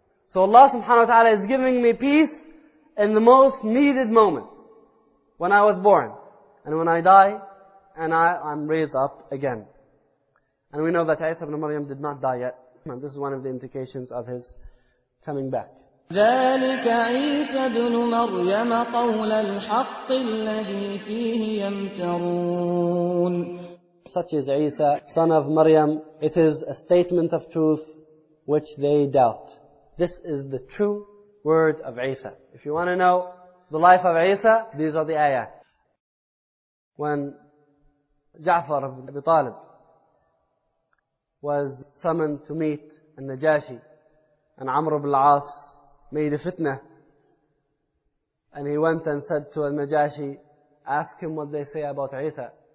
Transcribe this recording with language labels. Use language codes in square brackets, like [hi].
[en] So Allah subhanahu wa ta'ala is giving me peace in the most needed moment, when I was born and when I die and I'm raised up again. And we know that Isa ibn Maryam did not die yet. This is one of the indications of his coming back. [ar] ذلك عيسى بن مريم قول الحق الذي فيه يمترون. [en] Such is Isa, son of Maryam. It is a statement of truth which they doubt. This is the true word of Isa. If you want to know the life of Isa, these are the ayah. When Ja'far ibn Abi Talib was summoned to meet al-Najashi and Amr ibn al-As, made a fitna, and he went and said to al-Najashi, "Ask him what they say about Isa."